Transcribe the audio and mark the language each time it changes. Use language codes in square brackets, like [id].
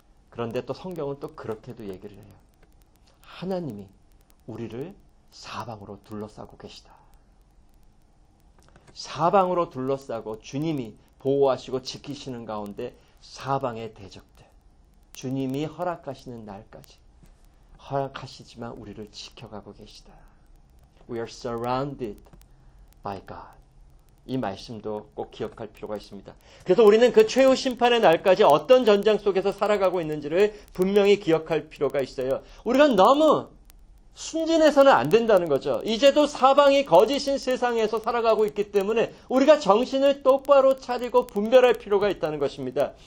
[ko] 그런데 또 성경은 또 그렇게도 얘기를 해요. 하나님이 우리를 사방으로 둘러싸고 계시다. 사방으로 둘러싸고 주님이 보호하시고 지키시는 가운데 사방의 대적들, 주님이 허락하시는 날까지 허락하시지만 우리를 지켜가고 계시다. [en] We are surrounded by God. [ko] 이 말씀도 꼭 기억할 필요가 있습니다. 그래서 우리는 그 최후 심판의 날까지 어떤 전쟁 속에서 살아가고 있는지를 분명히 기억할 필요가 있어요. 우리가 너무 순진해서는 안 된다는 거죠. 이제도 사방이 거짓인 세상에서 살아가고 있기 때문에 우리가 정신을 똑바로 차리고 분별할 필요가 있다는 것입니다.